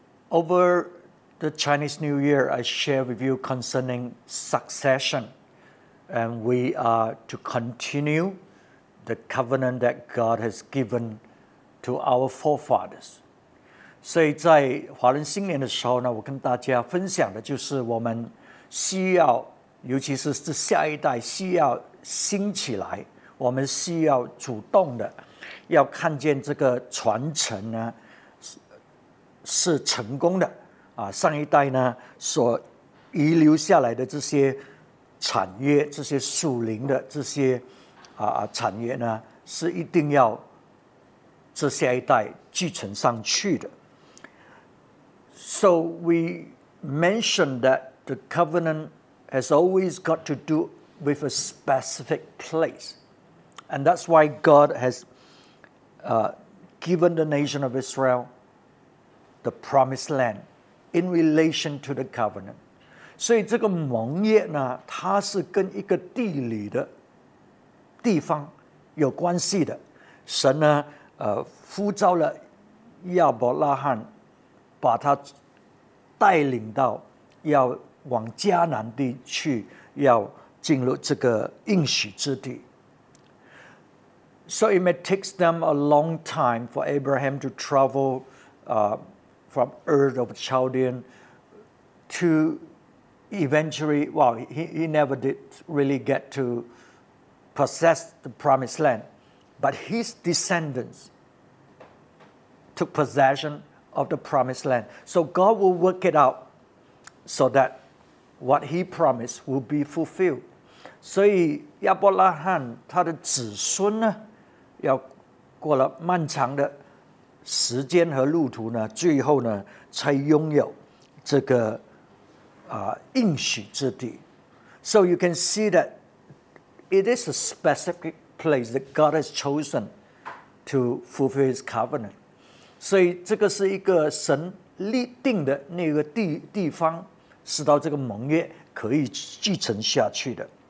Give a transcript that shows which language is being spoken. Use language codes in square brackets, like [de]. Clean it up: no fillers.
[en] Over the Chinese New Year, I share with you concerning succession, and we are to continue the covenant that God has given to our forefathers. [zh] 所以在华人新年的时候呢，我跟大家分享的就是我们需要，尤其是这下一代需要兴起来。我们需要主动的要看见这个传承呢是成功的、啊、上一代呢所遗留下来的这些产业，这些属灵的这些、产业呢，是一定要这下一代继承上去的。 [en] So we mentioned that the covenant has always got to do with a specific placeAnd that's why God has given the nation of Israel the promised land in relation to the covenant. [zh] 所以这个盟约呢，它是跟一个地理的地方有关系的。神呢，呼召了亚伯拉罕，把他带领到要往迦南地去，要进入这个应许之地。 [en] So it may take them a long time for Abraham to travel from Ur of Chaldean to eventually, well, he never did really get to possess the promised land. But his descendants took possession of the promised land. So God will work it out so that what he promised will be fulfilled. [zh] 所以亚伯拉罕他的子孙呢要过了漫长的时间和路途呢，最后呢才拥有这个、应许之地。 [en] So you can see that it is a specific place that God has chosen to fulfill his covenant. [zh] 所以这个是一个神立定的那个 地方，使到这个盟约可以继承下去的。